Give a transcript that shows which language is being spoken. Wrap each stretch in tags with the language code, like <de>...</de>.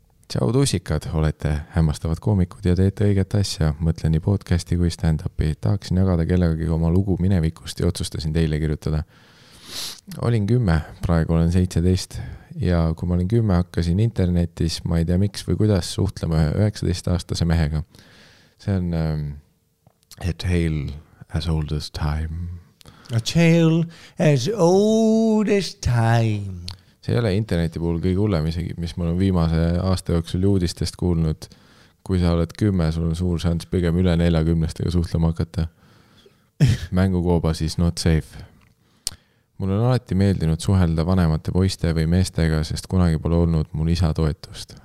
<et>Tšau tussikad, olete hämmastavad koomikud ja teete õiget asja. Mõtlen nii podcasti kui stand-upi. Tahaksin jagada kellegagi oma lugu minevikust ja otsustasin teile kirjutada. Olin 10, praegu olen 17 ja kui ma olin 10, hakkasin internetis, ma ei tea miks või kuidas suhtlema 19-aastase mehega. See on</et> <en>a tale as old as time. A tale as old as time.</en> <et>See ei ole interneti puhul kõige hullem isegi, mis ma olen viimase aasta jooksul juudistest kuulnud. Kui sa oled 10, sul on suur šans pigem üle 40-stega suhtlema hakata. Mängukooba siis</et> <en>not safe.</en> <et>Mul on alati meeldinud suhelda vanemate poiste või meestega, sest kunagi pole olnud mul isa toetust.</et>